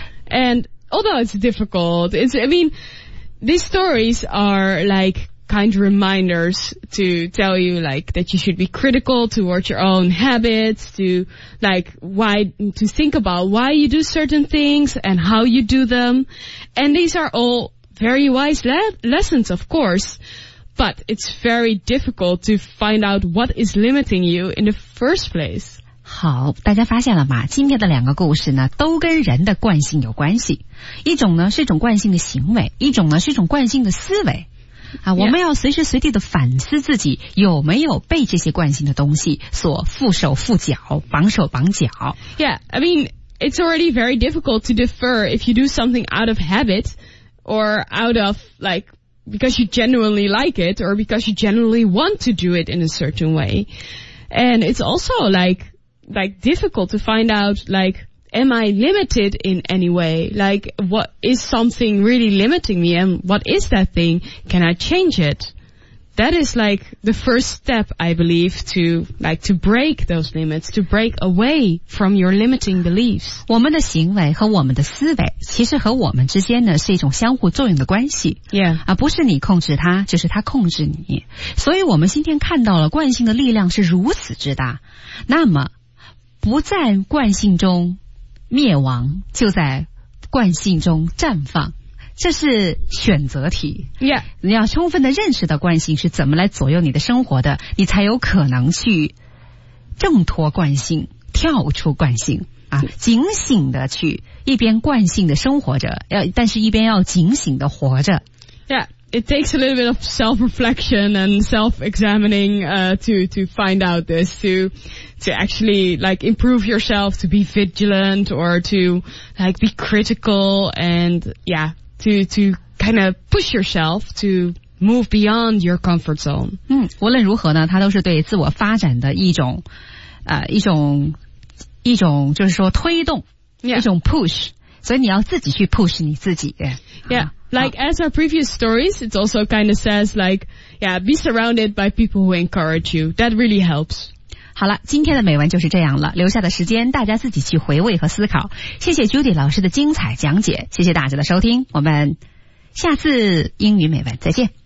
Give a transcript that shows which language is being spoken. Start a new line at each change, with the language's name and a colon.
English: And although it's difficult, these stories are like kind reminders to tell you like that you should be critical towards your own habits, to think about why you do certain things and how you do them. And these are all very wise lessons, of course. But it's very difficult to find out what is limiting you in the first place.
Chinese: 好，大家发现了吗？今天的两个故事呢，都跟人的惯性有关系。一种呢是一种惯性的行为，一种呢是一种惯性的思维。啊，我们要随时随地的反思自己有没有被这些惯性的东西所缚手缚脚、绑手绑脚。
English: Yeah, I mean, it's already very difficult to defer if you do something out of habit or out of like. Because you genuinely like it or because you genuinely want to do it in a certain way. And it's also like difficult to find out, like, am I limited in any way? Like, what is something really limiting me? And what is that thing? Can I change it? That is like the first step, I believe, to like to break those limits, to break away from your limiting beliefs.
Chinese: 我们的行为和我们的思维其实和我们之间呢是一种相互作用的关系。
English: Yeah.
Chinese: 而不是你控制它，就是它控制你。所以我们今天看到了惯性的力量是如此之大。那么不在惯性中灭亡，就在惯性中绽放。这是选择题。
English: Yeah.
Chinese: 你要充分的认识到惯性是怎么来左右你的生活的，你才有可能去挣脱惯性，跳出惯性啊，警醒的去一边惯性的生活着，但是一边要警醒的活着。
English: Yeah, it takes a little bit of self-reflection and self-examining to find out this, to actually like improve yourself, to be vigilant or to like be critical and yeah, to kind of push yourself to move beyond your comfort zone.
Chinese: 无论如何呢，它都是对自我发展的一种一种就是说推动、
English: yeah.
Chinese: 一种 push， 所以你要自己去 push 你自己。
English: Yeah, like as our previous stories, it also kind of says like, yeah, be surrounded by people who encourage you. That really helps.
Chinese: 好了，今天的美文就是这样了，留下的时间大家自己去回味和思考。谢谢 Judy 老师的精彩讲解，谢谢大家的收听，我们下次英语美文再见。